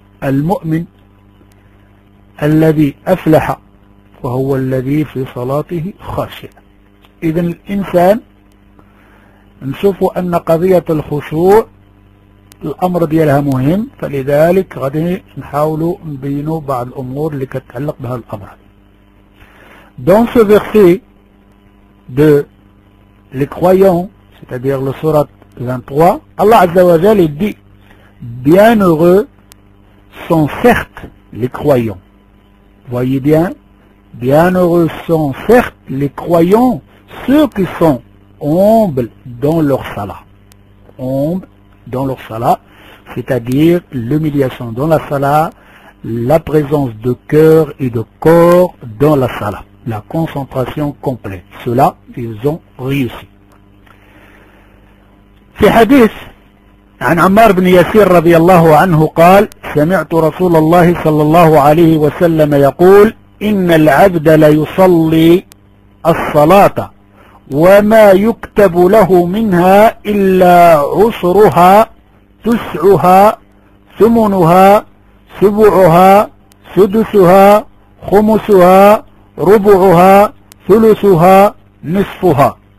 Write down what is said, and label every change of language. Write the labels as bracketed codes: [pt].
[ar] المؤمن الذي أفلح وهو الذي في صلاته خاشع. إذن الإنسان نشوف أن قضية الخشوع الأمر ديالها مهم، فلذلك غادي نحاول نبين بعض الأمور اللي كتعلق بها الأمر. [fr] Dans ce verset de les croyants, c'est-à-dire le surat 23, Allah عز وجل dit: bienheureux sont certes les croyants. Voyez bien, bienheureux sont certes les croyants, ceux qui sont humbles dans leur salah. Humbles dans leur salah, c'est-à-dire l'humiliation dans la salah, la présence de cœur et de corps dans la salah, la concentration complète. Cela, ils ont réussi. Ces hadiths [ar] عن عمار بن ياسير رضي الله عنه قال: سمعت رسول الله صلى الله عليه وسلم يقول: إن العبد ليصلي الصلاة وما يكتب له منها إلا عشرها، تسعها، ثمنها، سبعها، سدسها، خمسها، ربعها، ثلثها، نصفها.